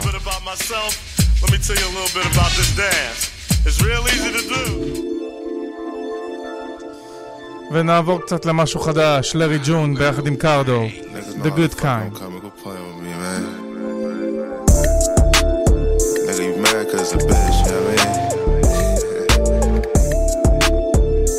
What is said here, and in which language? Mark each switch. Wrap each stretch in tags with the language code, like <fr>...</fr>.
<en>Let me tell you a little bit about myself. Let me tell you a little bit about this dance. It's real easy to do.</en> <he>ונעבור קצת למשהו חדש, לארי ג'ון ביחד עם קרדו.</he> <en>The good kind. Nigga, you mad cause a bitch, you know what I mean?</en>